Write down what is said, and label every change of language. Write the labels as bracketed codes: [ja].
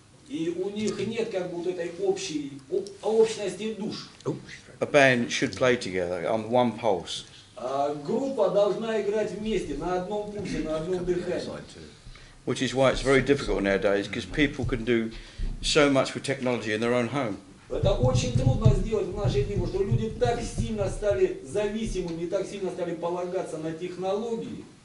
[ru] И у них нет как бы вот этой общей общности душ. [en] A band should play together on one pulse. [ru] Группа должна играть вместе на одном пульсе, на одном дыхании. [en] Which is why it's very difficult nowadays, because people can do so much with technology in their own home. [ru] Это очень трудно сделать в наши дни, потому что люди так сильно стали зависимыми, так сильно стали полагаться на технологии.